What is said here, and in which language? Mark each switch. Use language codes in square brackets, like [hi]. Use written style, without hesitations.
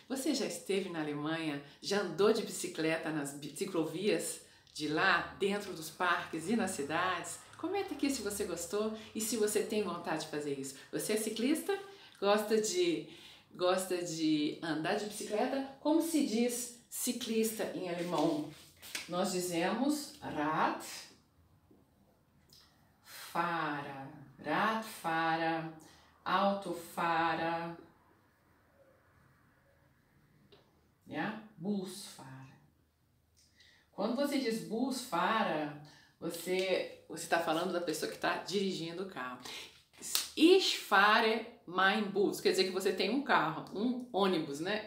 [pt] Você já esteve na Alemanha? Já andou de bicicleta nas ciclovias de lá, dentro dos parques e nas cidades? Comenta aqui se você gostou e se você tem vontade de fazer isso. Você é ciclista? Gosta de andar de bicicleta? Como se diz ciclista em alemão? Nós dizemos Rad. [de] Fahrer, Radfahrer, Autofahrer, yeah? Busfahrer. [pt] Quando você diz Busfahrer, você está falando da pessoa que está dirigindo o carro. [de] Ich fahre mein Bus, [pt] quer dizer que você tem um carro, um ônibus, né?